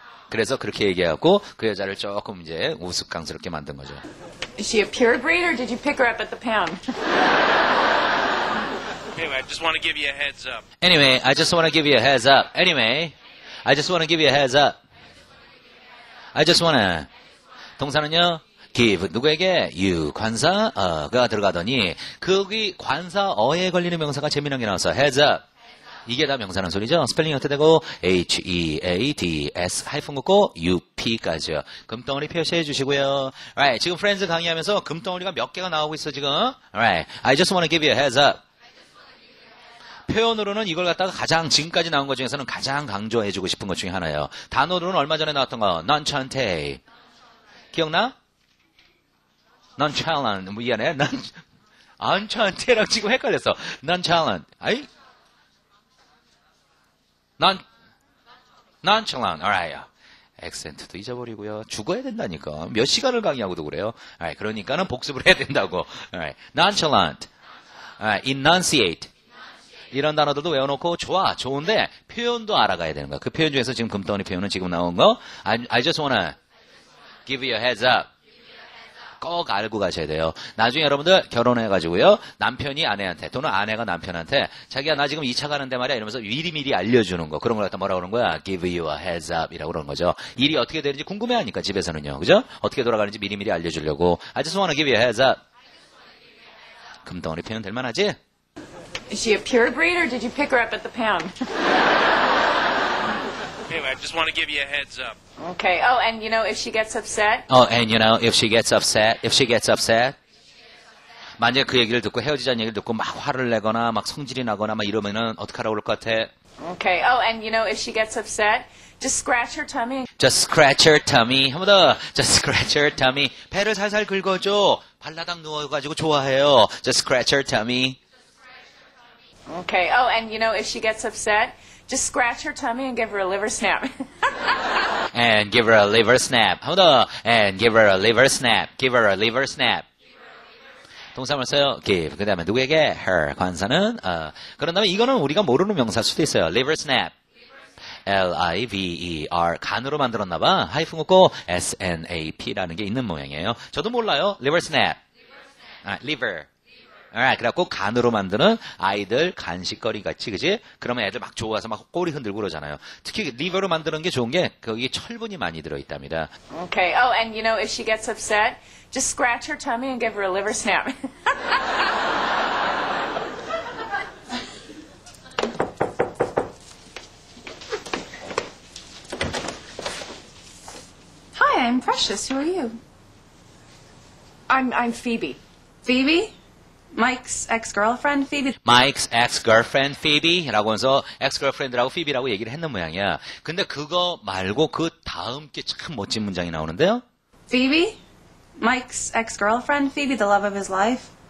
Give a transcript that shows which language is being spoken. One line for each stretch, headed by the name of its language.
Korean: 그래서 그렇게 얘기하고 그 여자를 조금 이제 우스꽝스럽게 만든 거죠.
English: Is she a pure breed or did you pick her up at the pound? Anyway, I just want to give you a heads up. Anyway, I just want to give you a heads up. Anyway, I just want to give you a heads up. I just want to.
Korean: 동사는요,
English: give.
Korean: 누구에게?
English: You.
Korean: 관사, 가 들어가더니, 거기 관사, 어에 걸리는 명사가 재미난 게 나왔어. Heads up. 이게 다 명사는 소리죠? 스펠링이 어떻게 되고, H-E-A-D-S, 하이픈 긋고, U-P까지요. 금덩어리 표시해 주시고요. Alright, 지금 프렌즈 강의하면서 금덩어리가 몇 개가 나오고 있어, 지금?
English: Alright, I just want to give you a heads up.
Korean: 표현으로는 이걸 갖다가 가장 지금까지 나온 것 중에서는 가장 강조해주고 싶은 것 중에 하나예요. 단어로는 얼마 전에 나왔던 거 nonchalant. 기억나? nonchalant. 미안해. nonchalant랑 지금 헷갈렸어. nonchalant. 아이?
English: nonchalant. alright.
Korean: 액센트도 잊어버리고요. 죽어야 된다니까. 몇 시간을 강의하고도 그래요.
English: alright.
Korean: 그러니까는 복습을 해야 된다고. alright. nonchalant. alright. enunciate. 이런 단어들도 외워놓고 좋아, 좋은데 표현도 알아가야 되는 거야. 그 표현 중에서 지금 금덩어리 표현은 지금 나온 거
English: I just wanna give you a heads up.
Korean: 꼭 알고 가셔야 돼요. 나중에 여러분들 결혼해가지고요. 남편이 아내한테 또는 아내가 남편한테 자기야 나 지금 2차 가는데 말이야 이러면서 미리미리 알려주는 거 그런 걸 갖다 뭐라고 그런 거야?
English: Give you a heads up
Korean: 이라고 그런 거죠. 일이 어떻게 되는지 궁금해하니까 집에서는요. 그죠? 어떻게 돌아가는지 미리미리 알려주려고
English: I just wanna give you a heads up.
Korean: 금덩어리 표현 될 만하지?
English: Is she a pure breed or did you pick her up at the pound? Anyway, I just want to give you a heads up. Okay. Oh, and you know, if she gets upset? Oh, and you know, if she gets upset? If she gets upset?
Korean: 만약에 그 얘기를 듣고 헤어지자는 얘기를 듣고 막 화를 내거나 막 성질이 나거나 막 이러면은 어떡하라고 그럴 것 같아?
English: Okay. Oh, and you know, if she gets upset? Just scratch her tummy. Just scratch her tummy.
Korean: 한 번 더.
English: Just scratch her tummy.
Korean: 배를 살살 긁어줘. 발라당 누워가지고 좋아해요.
English: Just scratch her tummy. Okay. Oh, and you know, if she gets upset, just scratch her tummy and give her a liver snap. And give her a liver snap.
Korean: 한 번 더.
English: And give her a liver snap. Give her a liver snap.
Korean: 동사만 써요.
English: Give.
Korean: 그 다음에 누구에게? Her. 관사는? 그런 다음에 이거는 우리가 모르는 명사일 수도 있어요. Liver snap. liver 간으로 만들었나 봐. 하이픈 없고 snap라는 게 있는 모양이에요. 저도 몰라요. liver snap. 아, liver. Alright, 그래갖고 간으로 만드는 아이들 간식거리 같이, 그지? 그러면 애들 막 좋아서 막 꼬리 흔들고 그러잖아요. 특히 리버로 만드는 게 좋은 게 거기 철분이 많이 들어있답니다.
English: Okay. Oh, and you know, if she gets upset, just scratch her tummy and give her a liver snap. Hi, I'm Precious. Who are you? I'm Phoebe. Phoebe? Mike's ex-girlfriend Phoebe.
Korean: Mike's ex-girlfriend Phoebe라고 해서 ex-girlfriend라고 Phoebe라고 얘기를 했는 모양이야. 근데 그거 말고 그 다음 게 참 멋진 문장이 나오는데요.
English: Phoebe? Mike's ex-girlfriend Phoebe, the love of his life.